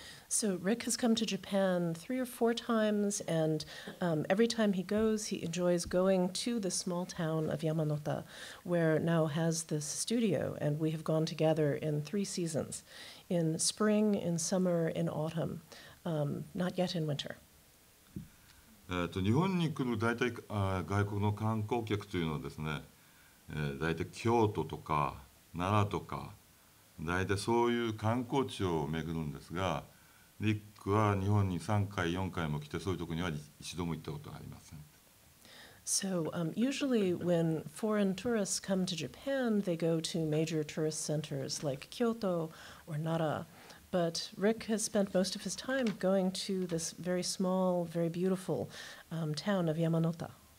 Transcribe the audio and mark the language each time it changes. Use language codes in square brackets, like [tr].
[en] So Rick has come to Japan 3 or 4 times, and every time he goes, he enjoys going to the small town of Yamanota, where Nao has this studio, and we have gone together in 3 seasons, in spring, in summer, in autumn, not yet in winter. [ja] 日本に来る大体外国の観光客というのはですね、大体京都とか奈良とか、大体そういう観光地を巡るんですが、リックは日本に3回、4回も来て、そういうところには一度も行ったことがありません。 [en] So, usually when foreign tourists come to Japan, they go to major tourist centers like Kyoto or Nara. But Rick has spent most of his time going to this very small, very beautiful, town of Yamanota.